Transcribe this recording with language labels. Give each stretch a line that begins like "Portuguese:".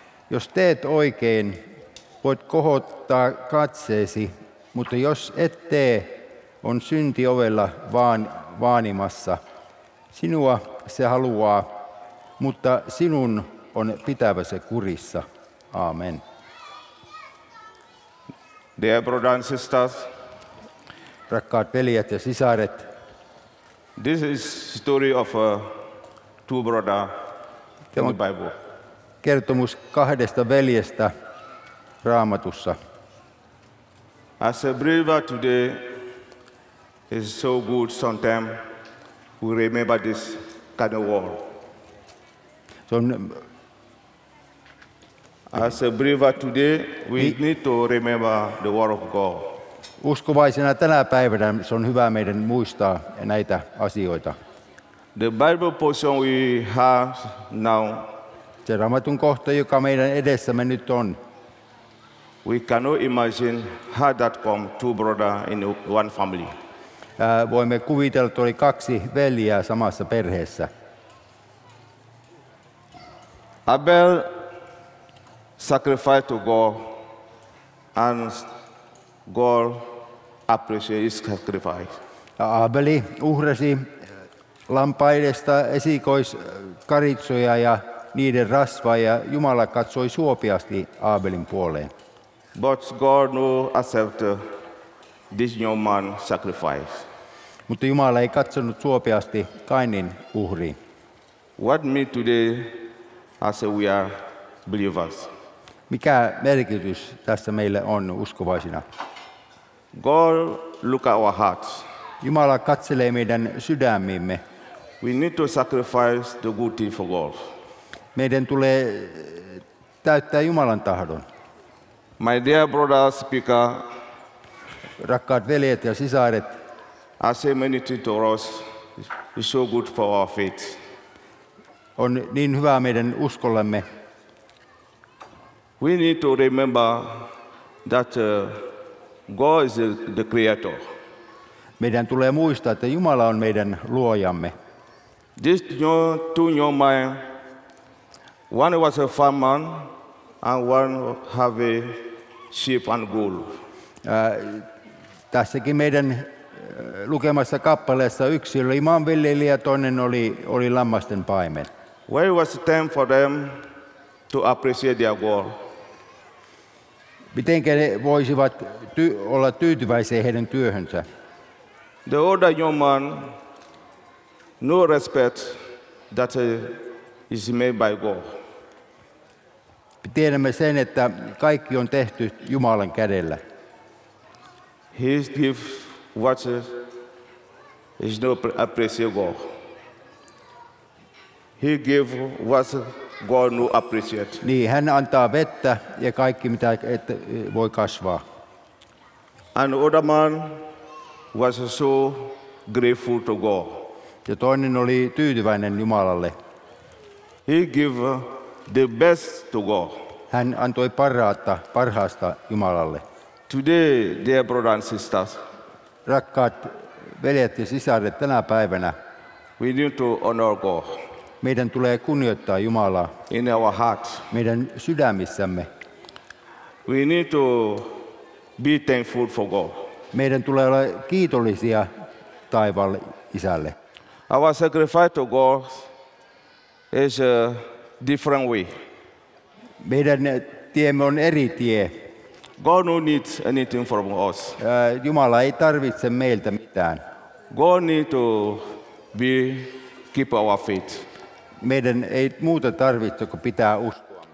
Finnish: Jos teet oikein, voit kohottaa katseesi, mutta jos et tee, on synti ovella vaanimassa. Sinua se haluaa, mutta sinun on pitävä se kurissa. Aamen.
English: Dear brothers and sisters,
Finnish: rakkaat veljet ja sisaret,
English: this is story of two brothers in the Bible.
Finnish: Kertomus kahdesta veljestä Raamatussa.
English: As a believer today, it's so good sometimes we remember this kind of world. As a believer today, we need to remember the word of God.
Finnish: Uskovaisena tänä päivänä se on hyvä meidän muistaa näitä asioita.
English: The Bible portion we have now.
Finnish: Se Raamatun kohta, joka meidän edessämme nyt on.
English: We cannot imagine how that come two brother in one family.
Finnish: Voimme kuvitella, että oli kaksi veljeä samassa perheessä.
English: Abel sacrificed to God, and God appreciated his sacrifice.
Finnish: Abeli uhrasi lampaidesta esikoiskaritsoja ja niiden rasvaa, ja Jumala katsoi suopiasti Abelin puoleen.
English: But God no accept this young man sacrifice.
Finnish: Mutta Jumala ei katsonut suopiasti Kainin uhriin.
English: What me today as we are believers?
Finnish: Mikä merkitys tässä meille on uskovaisina?
English: God look at our hearts.
Finnish: Jumala katselee meidän sydämiimme.
English: We need to sacrifice the good thing for God.
Finnish: Meidän tulee täyttää Jumalan tahdon.
English: My dear brothers, pika,
Finnish: rakkaat veljet ja sisaret,
English: I say many things to us, it's so good for our faith.
Finnish: On niin hyvää meidän uskollemme.
English: We need to remember that God is the creator.
Finnish: Meidän tulee muistaa, että Jumala on meidän luojamme.
English: This two young men, one was a farm man and one have a sheep and goat.
Finnish: Tässäkin meidän lukemassa kappaleessa yksi oli maanviljelijä, toinen oli lammasten paimen.
English: When was the time for them to appreciate their goal?
Finnish: Mitenkä he voisivat olla tyytyväisiä heidän työhönsä?
English: The older young man, no respect that is made by God. Me tiedämme sen, että kaikki on tehty Jumalan kädellä. He gives what is no appreciate God. He gives what God no appreciate.
Finnish: Niin, hän antaa vettä ja kaikki mitä voi kasvaa.
English: And other man was so grateful to God.
Finnish: Ja toinen oli tyytyväinen Jumalalle.
English: He gave the best to God.
Finnish: Hän antoi parhaasta Jumalalle.
English: Today, dear brothers and sisters,
Finnish: rakkaat veljet ja sisaret, tänä päivänä
English: we need to honor God.
Finnish: Meidän tulee kunnioittaa Jumalaa
English: in our hearts.
Finnish: Meidän sydämissämme.
English: We need to be thankful for God.
Finnish: Meidän tulee olla kiitollisia taivaalle Isälle.
English: Our sacrifice to God is a different way.
Finnish: Meidän tiemme on eri tie.
English: God no needs anything from us.
Finnish: Jumala ei tarvitse meiltä mitään.
English: God need to be keep our faith.
Finnish: Meidän ei muuta tarvitse kuin pitää uskoa.